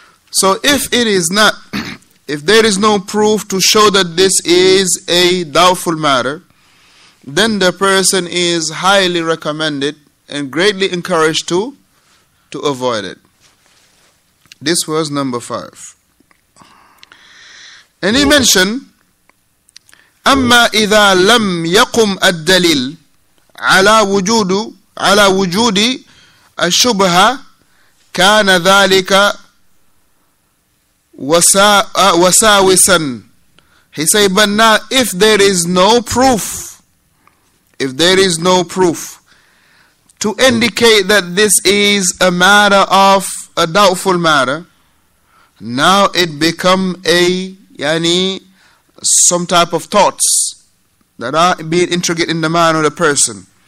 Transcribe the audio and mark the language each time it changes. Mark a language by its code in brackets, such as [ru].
[en] So if it is not, if there is no proof to show that this is a doubtful matter, then the person is highly recommended and greatly encouraged to avoid it. This was number five. And he mentioned, [ar] أَمَّا إِذَا لَمْ يَقُمْ الدَّلِيلِ عَلَى وُجُودِ الشُّبْهَ كَانَ ذَلِكَ وَسَاوِسًا. [en] He said, but now if there is no proof, if there is no proof to indicate that this is a matter of a doubtful matter, now it become a some type of thoughts that are being intricate in the mind of the person.